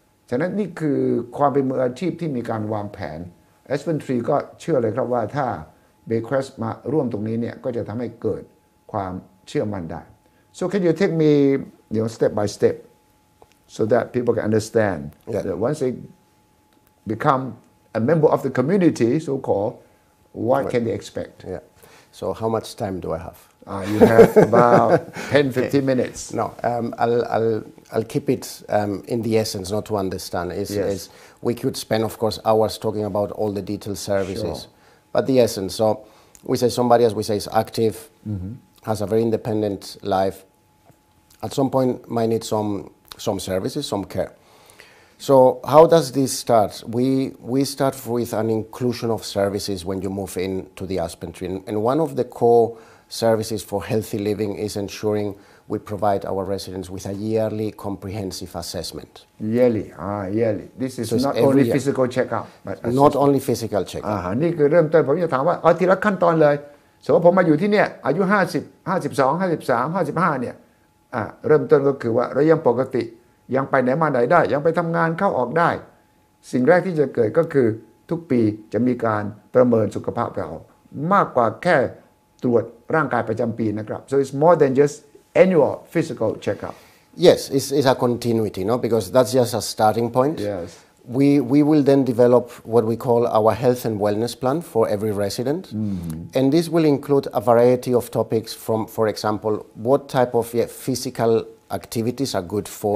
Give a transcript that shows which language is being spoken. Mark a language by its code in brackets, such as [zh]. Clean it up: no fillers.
[th] ฉะนั้นนี่คือความเป็นมืออาชีพที่มีการวางแผน Aspen Tree ก็เชื่อเลยครับว่าถ้า Bakers มาร่วมตรงนี้เนี่ยก็จะทำให้เกิดความเชื่อมันได้ [en] so can you take me you know step by step so that people can understand yeah. that once they become a member of the community so called what right. can they expect yeah so how much time do I have you have about 10-15 okay. minutes no I'll keep it in the essence not to understand is yes. is we could spend of course hours talking about all the detailed services sure. but the essence so we say somebody as we say is active mm-hmm. has a very independent life, at some point might need some services, some care. So how does this start? We start with an inclusion of services when you move into the Aspen Tree. And one of the core services for healthy living is ensuring we provide our residents with a yearly comprehensive assessment. Yearly. This is not only physical checkup, but not only physical checkup. [th] นี่คือเริ่มต้นผมจะถามว่าทีละขั้นตอนเลยสมมติผมมาอยู่ที่เนี่ยอายุ50 52 53 55เนี่ยเริ่มต้นก็คือว่าเรายังปกติยังไปไหนมาไหนได้ยังไปทำงานเข้าออกได้สิ่งแรกที่จะเกิดก็คือทุกปีจะมีการประเมินสุขภาพเรามากกว่าแค่ตรวจ ร่างกายประจำปีนะครับ [en] so it's more than just annual physical checkup yes it's a continuity no because that's just a starting point yes we will then develop what we call our health and wellness plan for every resident mm-hmm. and this will include a variety of topics from for example what type of physical activities are good for